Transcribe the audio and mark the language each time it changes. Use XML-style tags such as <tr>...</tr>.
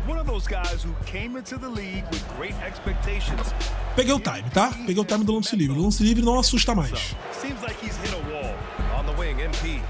<en>One of those guys who came into the league with great expectations.</en> <pt>Peguei o time, tá? Peguei o time do lance livre. O lance livre não assusta mais.</pt> <en>Seems like he's hit a wall on the wing, MP.</en>